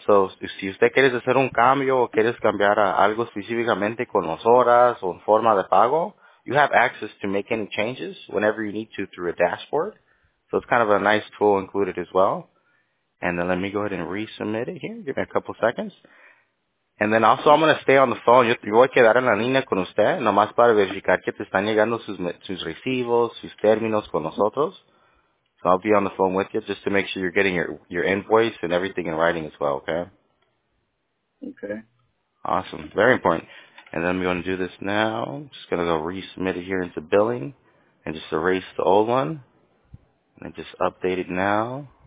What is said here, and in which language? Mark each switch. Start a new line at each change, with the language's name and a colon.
Spanish: So si usted quiere hacer un cambio o quieres cambiar algo específicamente con las horas o en forma de pago,
English: you have access to make any changes whenever you need to through a dashboard. So it's kind of a nice tool included as well. And then let me go ahead and resubmit it here. Give me a couple seconds. And then also I'm going to stay on the phone.
Spanish: Yo voy a quedar en la línea con usted, nomás para verificar que te están llegando sus recibos, sus términos con nosotros.
English: So I'll be on the phone with you just to make sure you're getting your invoice and everything in writing as well, okay? Okay. Awesome. Very important. And then I'm going to do this now. I'm just going to go resubmit it here into billing and just erase the old one and just update it now.